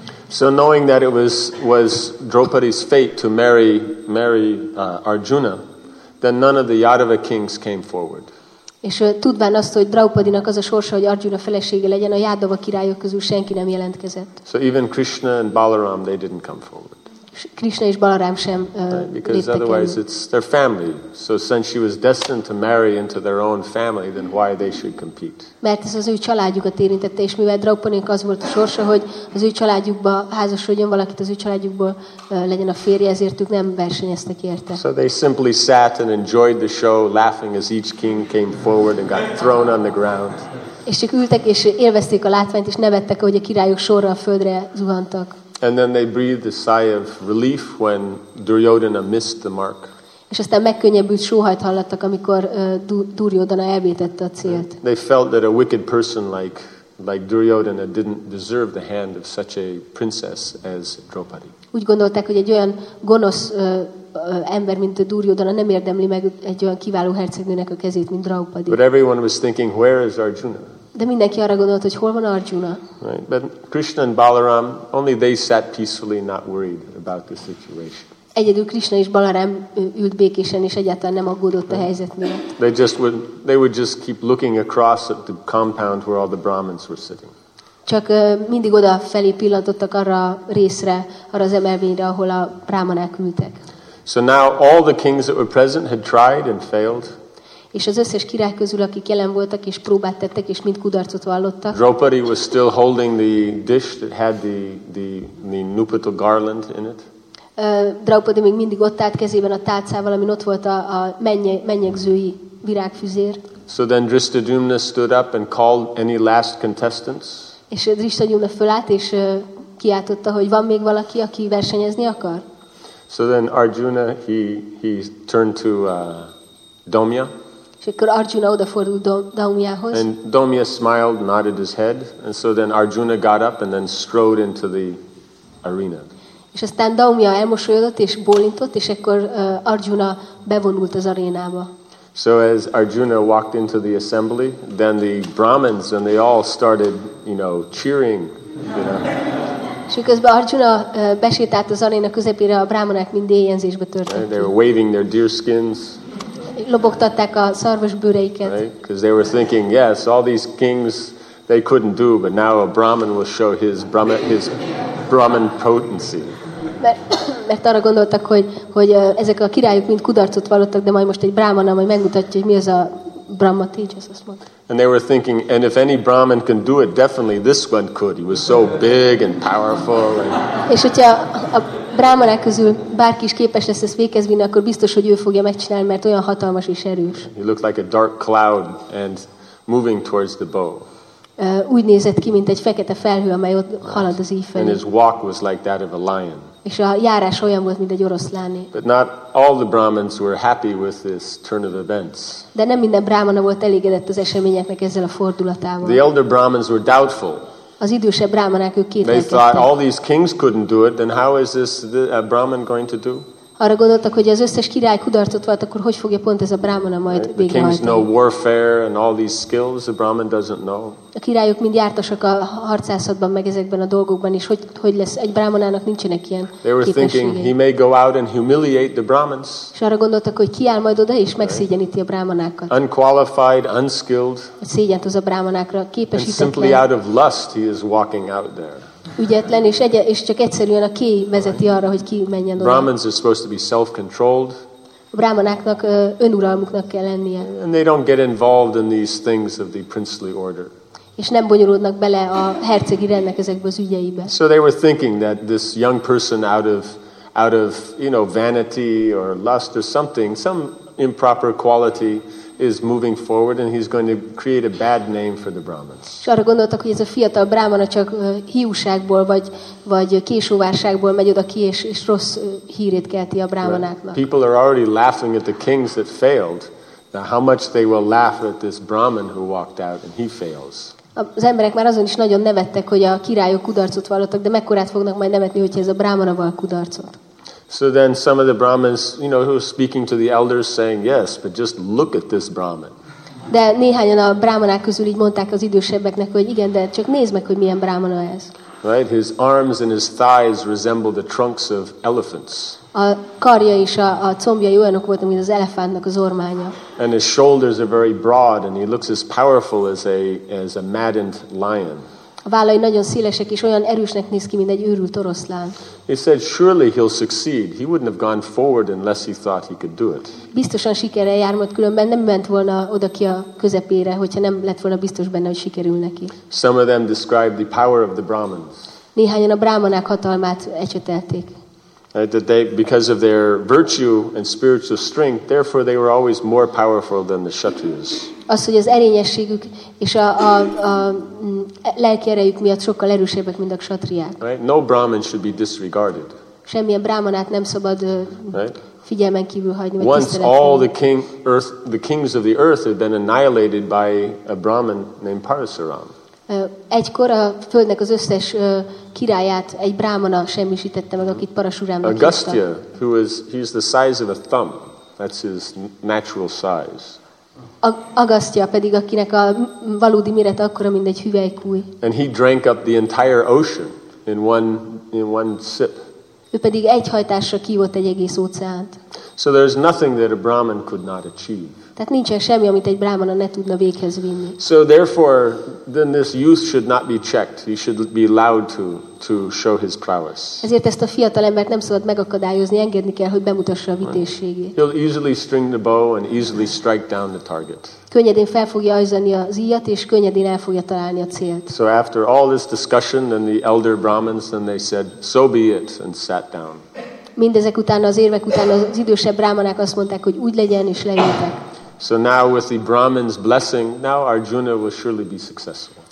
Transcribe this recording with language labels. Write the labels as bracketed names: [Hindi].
[English] So knowing that it was Draupadi's fate to marry Arjuna, then none of the Yadava kings came forward. [Hungarian] És tudván azt, hogy Draupadinak az a sorsa, hogy Arjuna felesége legyen, a Yadava királyok közül senki nem jelentkezett. [English] So even Krishna and Balaram, they didn't come forward. [Hungarian] Krishna és Balaram sem [English] because otherwise it's their family. So since she was destined to marry into their own family, then why they should compete? [Hungarian] Mert ez az ő családjukat érintette, és mivel Draupadinak az volt a sorsa, hogy az ő családjukba házasodjon valakit, az ő családjukból legyen a férje, ezért ők nem versenyeztek érte. [English] So they simply sat and enjoyed the show, laughing as each king came forward and got thrown on the ground. [Hungarian] És csak ültek és élvezték a látványt, és nevettek, ahogy a királyok sorra a földre zuhantak. [English] And then they breathed a sigh of relief when Duryodhana missed the mark. [Hungarian] És aztán megkönnyebbült sóhajt hallottak, amikor Duryodhana elvétette a célt. [English] They felt that a wicked person like Duryodhana didn't deserve the hand of such a princess as Draupadi. [Hungarian] Úgy gondolták, hogy egy olyan gonosz ember, mint Duryodhana, nem érdemli meg egy olyan kiváló hercegnőnek a kezét, mint Draupadi. [English] But everyone was thinking, where is Arjuna? [Hungarian] De mindenki arra gondolt, hogy hol van Arjuna. [English] Right. But Krishna and Balaram, only they sat peacefully, not worried about the situation. [Hungarian] Egyedül Krishna és Balaram ült békésen, és egyáltalán nem aggódott a helyzet miatt. [English] They would just keep looking across at the compound where all the Brahmins were sitting. [Hungarian] Csak mindig odafelé pillantottak arra részre, arra az emelvényre, ahol a brahmanák ültek. [English] So now all the kings that were present had tried and failed. [Hungarian] és az összes király közül, akik jelen voltak és próbát tettek és mind kudarcot vallottak. [English] Draupadi was still holding the dish that had the nuptial garland in it. [Hungarian] Draupadi még mindig ott állt kezében a tálcával, amin ott volt a mennyegzői virágfüzér. [English] So then Drishtadyumna stood up and called any last contestants. [Hungarian] És Drishtadyumna fölállt és kiáltotta, hogy van még valaki, aki versenyezni akar. [English] So then Arjuna he turned to Domya. [Hungarian] És akkor Arjuna odafordult Domyához. [English] And Domya smiled, nodded his head, and so then Arjuna got up and then strode into the arena. [Hungarian] És aztán Domya elmosolyodott és bólintott, és akkor Arjuna bevonult az arénába. [English] So as Arjuna walked into the assembly, then the Brahmins and they all started, you know, cheering. [Hungarian] És miközben Arjuna besétált az aréna közepére, a brahmanák mind éjjenzésbe törtek. [English] They were waving their deer skins. [Hungarian] Lobogtatták a szarvasbőreiket. [English] Right? Because they were thinking, yes, all these kings they couldn't do, but now a Brahmin will show his Brahmin potency. [Hungarian] Mert arra gondoltak, hogy ezek a királyok mind kudarcot vallottak, de majd most egy brahmana majd megmutatja, hogy mi az a Brahma Tejas, azt mondta. [English] And they were thinking, and if any Brahmin can do it, definitely this one could. He was so big and powerful. [Hungarian] És hogyha a brahmanák közül bárki is képes lesz ezt végezni, akkor biztos, hogy ő fogja megcsinálni, mert olyan hatalmas és erős. [English] He looked like a dark cloud and moving towards the bow. [Hungarian] Úgy nézett ki, mint egy fekete felhő, amely ott halad az íj felé. [English] And his walk was like that of a lion. [Hungarian] És a járás olyan volt, mint egy oroszláné. [English] But not all the Brahmins were happy with this turn of events. [Hungarian] De nem minden brahmana volt elégedett az eseményeknek ezzel a fordulatával. [English] The elder Brahmins were doubtful. [Hungarian] Az idősebb brahmanák ők kétlenkedtek. [English] They thought all these kings couldn't do it, then how is this a Brahmin going to do? [Hungarian] Arra gondoltak, hogy az összes király kudarcot vált, akkor hogy fogja pont ez a brahmana majd végrehajtani? [English] The kings know warfare and all these skills the Brahmin doesn't know. [Hungarian] A királyok mind jártasak a harcászatban, meg ezekben a dolgokban, és hogy lesz egy brahmanának nincsenek ilyen képességei. [English] They were thinking he may go out and humiliate the Brahmins. [Hungarian] És arra gondoltak, hogy kiáll majd oda és megszégyeníti a brahmanákat. [English] Unqualified, unskilled. [Hungarian] Szégyent az a brahmanákra, képesítetlen. [English] And simply out of lust he is walking out there. [Hungarian] Ügyetlen és csak egyszerűen a kéj vezeti arra, hogy ki menjen oda. [English] Brahmins are supposed to be self-controlled. [Hungarian] A brahmanáknak önuralmuknak kell lennie. [English] And they don't get involved in these things of the princely order. [Hungarian] És nem bonyolódnak bele a hercegi rendnek ezekbe az ügyeibe. [English] So they were thinking that this young person out of you know vanity or lust or something, some improper quality is moving forward and he's going to create a bad name for the Brahmins. [Hungarian] És arra gondoltak, hogy ez a fiatal brahmana csak hiúságból vagy késóvárságból megy oda ki és rossz hírét kelti a brahmanáknak. [English] Right. People are already laughing at the kings that failed. Now how much they will laugh at this brahmin who walked out and he fails. [Hungarian] Az emberek már azon is nagyon nevettek, hogy a királyok kudarcot vallottak, de mekkorát fognak majd nevetni, hogyha ez a brahmana vall kudarcot. [English] So then some of the Brahmins, you know, who were speaking to the elders saying, yes, but just look at this Brahmin. [Hungarian] De néhányan a brahmanák közül így mondták az idősebbeknek, hogy igen, de csak nézd meg, hogy milyen brahmana ez. [English] Right? His arms and his thighs resemble the trunks of elephants. [Hungarian] A karja és a combjai olyanok voltak, mint az elefántnak az ormánya. [English] And his shoulders are very broad and he looks as powerful as a maddened lion. [Hungarian] A vállai nagyon szélesek és olyan erősnek néz ki, mint egy őrült oroszlán. [English] He said, surely he'll succeed. He wouldn't have gone forward unless he thought he could do it. [Hungarian] Biztosan sikerrel jár, mert különben nem ment volna oda ki a közepére, hogyha nem lett volna biztos benne, hogy sikerül neki. [English] Some of them described the power of the Brahmins. [Hungarian] Néhányan a brahmanák hatalmát ecsetelték. [English] That they, because of their virtue and spiritual strength, therefore they were always more powerful than the Kshatriyas. [Hungarian] Az, hogy az erényességük és a lelki erejük miatt sokkal erősebbek, mint a kshatriák. [English] Right? No Brahmin should be disregarded. [Hungarian] Semmilyen brahmanát nem szabad figyelmen kívül hagyni, vagy tisztelet. [English] Once all the kings of the earth had been annihilated by a Brahmin named Parasuram. [Hungarian] Egykor a földnek az összes királyát egy brahmana semmisítette meg, akit Parasurámnak hívta. [English] Agastya, he's the size of a thumb. That's his natural size. [Hungarian] Agasztja pedig, akinek a valódi mérete akkora, mint egy hüvelykúj. [English] And he drank up the entire ocean in one sip. [Hungarian] Ő pedig egy hajtásra kívott egy egész óceánt. [English] So there's nothing that a Brahmin could not achieve. [Hungarian] Tehát nincsen semmi, amit egy brámana ne tudna véghez vinni. [English] So therefore, then this youth should not be checked. He should be allowed to show his prowess. [Hungarian] Ezért ezt a fiatal embert nem szabad megakadályozni, engedni kell, hogy bemutassa a vitézségét. [English] He'll easily string the bow and easily strike down the target. [Hungarian] Könnyedén fel fogja ajzani az íjat, és könnyedén el fogja találni a célt. [English] So after all this discussion, then the elder Brahmins, then they said, so be it, and sat down. [Hungarian] Mindezek után, az érvek után az idősebb brámanák azt mondták, hogy úgy legyen, és leültek. [English] So now with the Brahmin's blessing, now Arjuna will surely be successful.